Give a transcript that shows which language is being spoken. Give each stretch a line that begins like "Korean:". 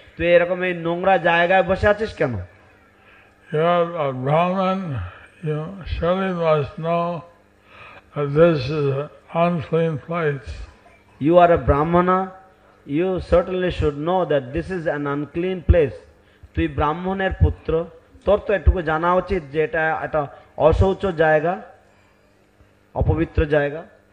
Bangla: তুই এরকম এই নোংরা জায়গায় বসে আছিস কেন?
English: You're a Brahman, you surely must know that this is an unclean place. You are a Brahmana, you certainly should know that this is an unclean place.
Bangla: তুই ব্রাহ্মণের পুত্র, তোর তো এটুকু জানা উচিত যে এটা একটা অশৌচ জায়গা, অপবিত্র জায়গা।